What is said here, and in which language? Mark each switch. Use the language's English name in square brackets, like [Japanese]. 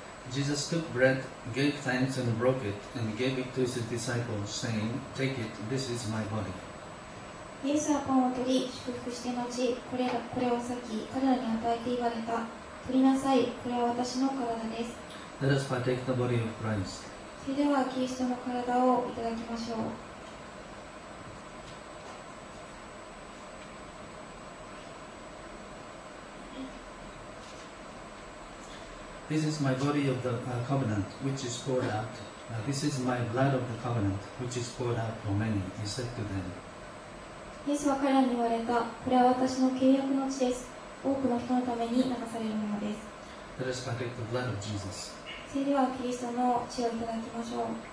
[English] Took bread, gave thanks, and broke it, and gave it to his disciples, saying, "Take it, this is my body." [Japanese] イエスはパンを取り、祝福して後、これを先、彼らに与えて言われた。取りなさい、これは私の体です。 [English] Let us partake the body of Christ. [Japanese] それではキリストの体をいただきましょう。 [English] This is my body of the covenant, which is poured out. This is my blood of the covenant, which is poured out for many. He said to them. [Japanese] イエスは彼らに言われた。これは私の契約の血です。多くの人のために流されるものです。 [English] Let us partake the blood of Jesus. [Japanese] それではキリストの血をいただきましょう。